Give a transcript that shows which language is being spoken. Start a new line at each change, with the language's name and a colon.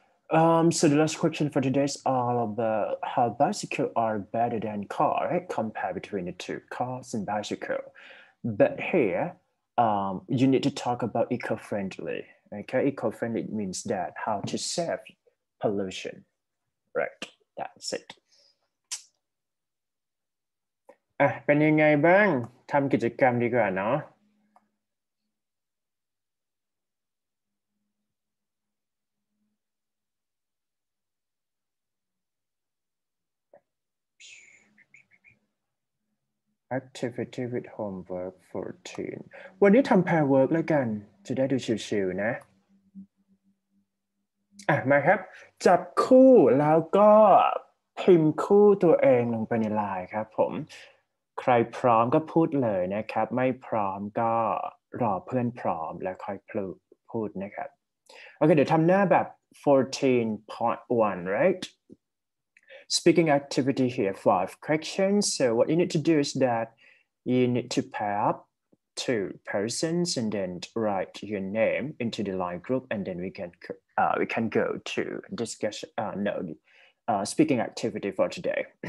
English: So the last question for today is all about how bicycles are better than car, right? Compare between the two, cars and bicycle. But here, you need to talk about eco-friendly. Okay, eco-friendly means that how to save pollution. Right, that's it.
Thai: เป็นยังไงบ้างทำกิจกรรมดีกว่าเนาะ
English: Activity with homework 14.
Thai: วันนี้ทำ pair work แล้วกันจะได้ดูชิวๆนะมาครับจับคู่แล้วก็พิมพ์คู่ตัวเองลงไปในไลน์ครับผมใครพร้อมก็พูดเลยนะครับไม่พร้อมก็รอเพื่อนพร้อมแล้วค่อยพูดนะครับโอเคเดี๋ยวทำหน้าแบบ 14.1
English: rightSpeaking activity here, 5 questions. So what you need to do is that you need to pair up 2 persons and then write your name into the line group, and then we can go to discussion. Speaking activity for today.